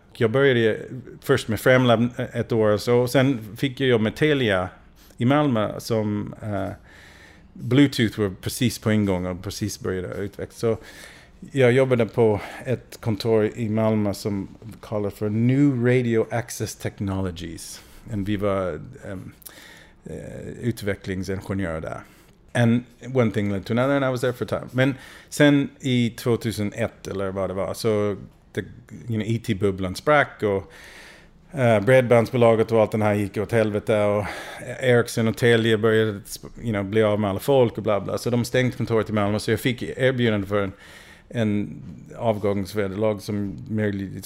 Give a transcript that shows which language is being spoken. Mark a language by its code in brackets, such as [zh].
[sv] Jag började först med Framlab ett år och så. Och sen fick jag jobb med Telia i Malmö som Bluetooth var precis på ingång och precis började utvecklas. Så jag jobbade på ett kontor i Malmö som kallade för New Radio Access Technologies. Och vi var utvecklingsingenjör där. [en] And one thing led to another and I was there for time. [sv] Men sen i 2001 eller vad det var, så IT-bubblan sprack och bredbandsbolaget och allt det här gick åt helvete och Ericsson och Telia började bli av med alla folk och bla bla. Så de stängde kontoret i Malmö, så jag fick erbjudande för en avgångsvederlag som möjligt.